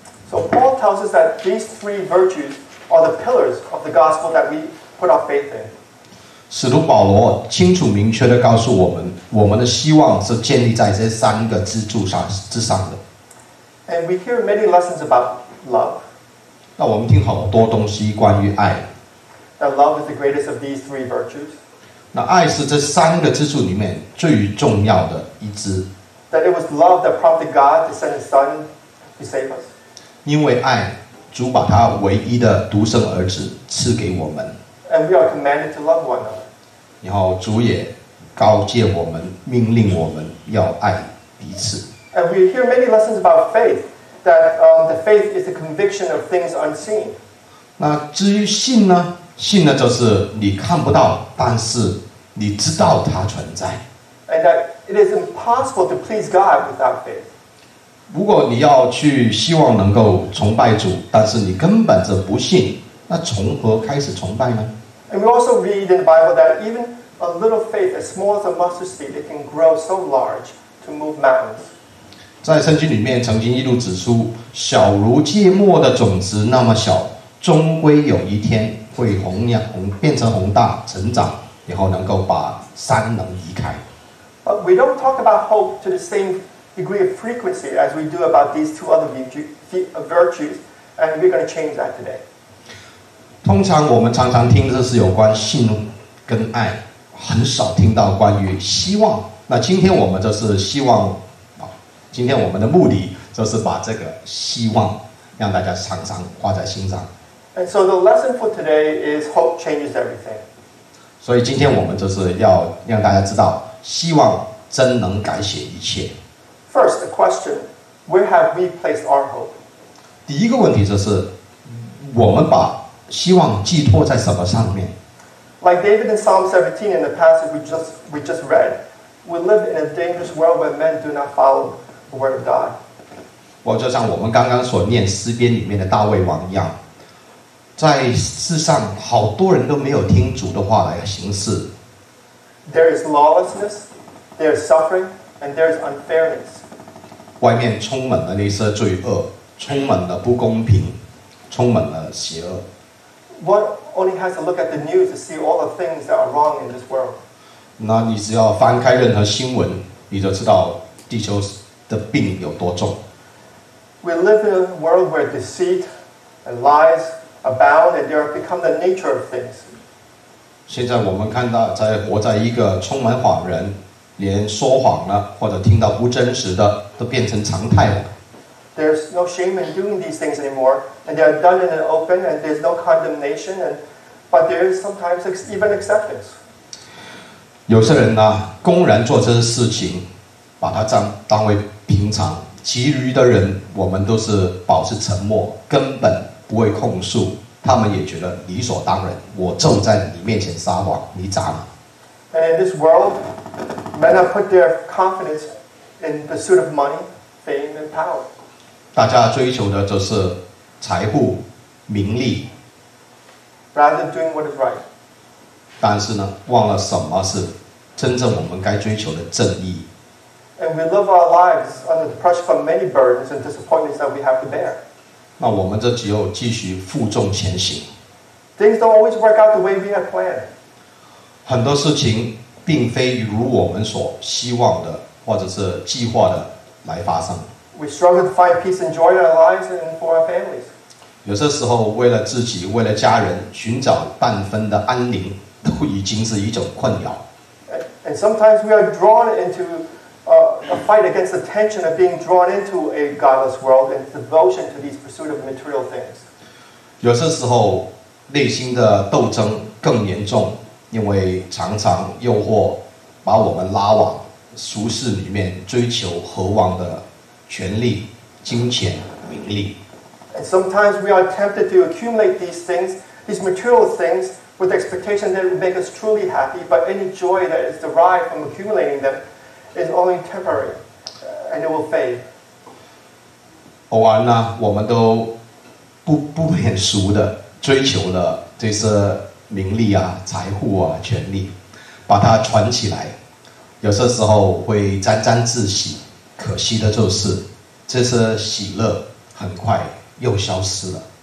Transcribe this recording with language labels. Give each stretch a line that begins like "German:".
English: So Paul tells us that these three virtues are the pillars of the gospel that we put our faith in.
Chinese: 使徒保罗清楚明确地告诉我们，我们的希望是建立在这三个支柱上之上的。
English: And we hear many lessons about love.
Chinese: 那我们听好多东西关于爱。
English: That love is the greatest of these three virtues.
Chinese: 那爱是这三个支柱里面最重要的一支。
English: That it was love that prompted God to send His Son to save us.
Chinese: 因为爱，主把他唯一的独生儿子赐给我们。
English: And we are commanded to love one another.
Chinese: 然后主也告诫我们，命令我们要爱彼此。
English: And we hear many lessons about faith, that the faith is the conviction of things unseen.
Chinese: 那至于信呢？信呢，就是你看不到，但是你知道它存在。
English: And that it is impossible to please God without faith.
Chinese: 如果你要去希望能够崇拜主，但是你根本就不信，那从何开始崇拜呢？
English: And we also read in the Bible that even a little faith, as small as a mustard seed, it can grow so large to move mountains.
Chinese: 在圣经里面曾经一度指出，小如芥末的种子那么小，终归有一天会变成宏大成长，然后能够把山能移开。
English: But we don't talk about hope to the same degree of frequency as we do about these two other virtues, and we're going to change that today.
Chinese: 通常我们常常听的是有关信跟爱，很少听到关于希望。那今天我们就是希望，今天我们的目的就是把这个希望让大家常常挂在心上。
English: And so the lesson for today is hope changes everything.
Chinese: 所以今天我们就是要让大家知道，希望真能改写一切。
English: First, the question, where have we placed our hope?
Chinese: 第一个问题就是，我们把希望寄托在什么上面？
English: Like David in Psalm 17 in the passage we just read, we live in a dangerous world where men do not follow the word of God.
Chinese: 我就像我们刚刚所念诗篇里面的大卫王一样，在世上好多人都没有听主的话来行事。
English: There is lawlessness, there is suffering, and there is unfairness.
Chinese: 外面充满了那些罪恶，充满了不公平，充满了邪恶。
English: One only has to look at the news to see all the things that are wrong in this world.
Chinese: 那你只要翻开任何新闻，你就知道地球的病有多重。
English: We live in a world where deceit and liesabound, and they have become the nature of things.
Chinese: 现在我们看到，在活在一个充满谎人，连说谎了或者听到不真实的都变成常态了。
English: There's no shame in doing these things anymore, and they are done in an open, and there's no condemnation, and but there is sometimes even acceptance.
Chinese: 有些人呢，公然做这些事情，把它当为平常；其余的人，我们都是保持沉默，根本不会控诉，他们也觉得理所当然。我正在你面前撒谎，你咋了？
English: And in this world, men have put their confidence in pursuit of money, fame, and power.
Chinese: 大家追求的就是财富、名利。
English: Rather than doing what is right.
Chinese: 但是呢，忘了什么是真正我们该追求的正义。
English: And we live our lives under the pressure of many burdens and disappointments that we have to bear.
Chinese: 那我们这只有继续负重前行。
English: Things don't always work out the way we had planned.
Chinese: 很多事情并非如我们所希望的或者是计划的来发生。
English: We struggle to find peace and joy in our lives and for our families.
Chinese: 有些时候为了自己为了家人寻找半分的安宁都已经是一种困扰。
English: And sometimes we are drawn intoa fight against the tension of being drawn into a godless world and devotion to these pursuit of material things.
Chinese: 有些时候内心的斗争更严重，因为常常诱惑把我们拉往俗世里面追求渴望的权力、金钱、名利。
English: And sometimes we are tempted to accumulate these things, these material things, with the expectation that it will make us truly happy, but any joy that is derived from accumulating themis only temporary, and it will fade.
Chinese: 偶尔呢，我们都不免俗的追求了这些名利啊、财富啊、权力，把它存起来。有些时候会沾沾自喜，可惜的就是这些喜乐很快又消失了。